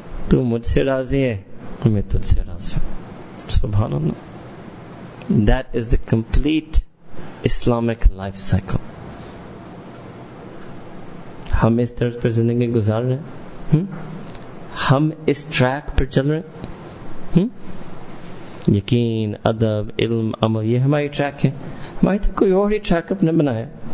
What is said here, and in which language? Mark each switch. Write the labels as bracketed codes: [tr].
[ur] تو مجھ سے راضی ہے اور میں تجھ سے راضی ہوں. سبحان اللہ. [en] That is the complete Islamic life cycle. [ur] ہم اس طرح پر زندگی گزار رہے ہیں, ہم اس ٹریک پر چل رہے ہیں, یقین, ادب, علم, عمل, یہ ہماری ٹریک ہے. ہماری تو کوئی اور ہی ٹریک اپنے بنایا.